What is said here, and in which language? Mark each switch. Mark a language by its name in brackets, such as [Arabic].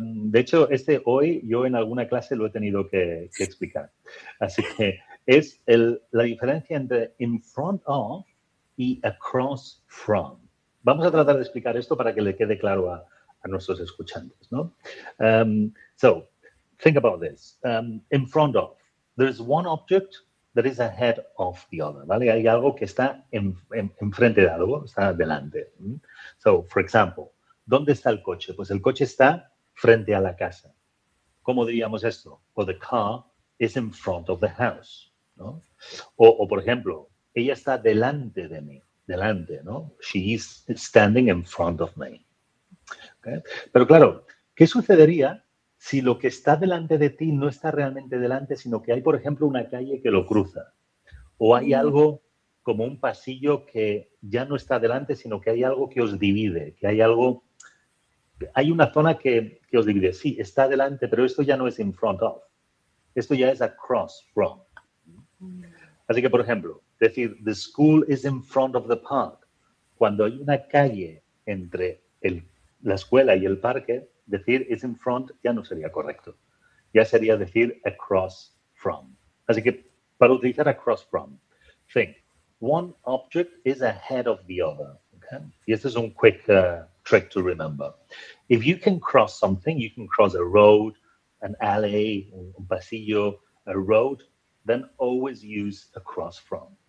[Spanish] De hecho, este hoy yo en alguna clase lo he tenido que explicar. Así que es la diferencia entre in front of y across from. Vamos a tratar de explicar esto para que le quede claro a nuestros escuchantes, ¿no? [English] So, think about this. In front of, there is one object that is ahead of the other, ¿vale? [Spanish] Hay algo que está en frente de algo, está delante. [English] So, for example, [Spanish] ¿dónde está el coche? Pues el coche está frente a la casa. ¿Cómo diríamos esto? [English] Well, the car is in front of the house, ¿no? [Spanish] O, por ejemplo, ella está delante de mí, delante, ¿no? [English] She is standing in front of me. [Spanish] ¿Okay? Pero claro, ¿qué sucedería si lo que está delante de ti no está realmente delante, sino que hay, por ejemplo, una calle que lo cruza? O hay algo como un pasillo que ya no está delante, sino que hay algo que os divide, que hay algo... Hay una zona que os divide. Sí, está delante, pero esto ya no es in front of. Esto ya es across from. Así que, por ejemplo, decir [English] the school is in front of the park. [Spanish] Cuando hay una calle entre la escuela y el parque, decir is in front ya no sería correcto. Ya sería decir across from. Así que, para utilizar across from, [English] think, one object is ahead of the other. Okay? [Spanish] Y este es un [English] quick... trick to remember. If you can cross something, you can cross a road, an alley, [Spanish] un pasillo, [English] a road, then always use across from.